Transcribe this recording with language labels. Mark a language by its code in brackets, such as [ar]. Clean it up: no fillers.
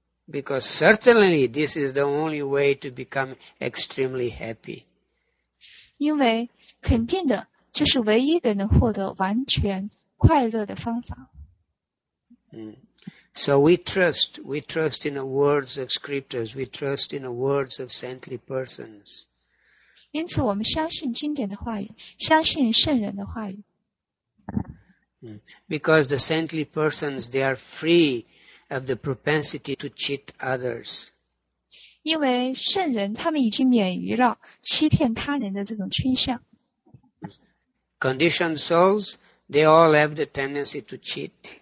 [en] Because certainly this is the only way to become extremely happy. [zh] 因为肯定的就是唯一的能获得完全快乐的方法。 [en] So we trust in the words of scriptures, we trust in the words of saintly persons. [zh] 因此我们相信经典的话语，相信圣人的话语。 [en] Because the saintly persons, they are free of the propensity to cheat others. [zh] 因为圣人他们已经免于了欺骗他人的这种倾向。 [en] Conditioned souls, they all have the tendency to cheat.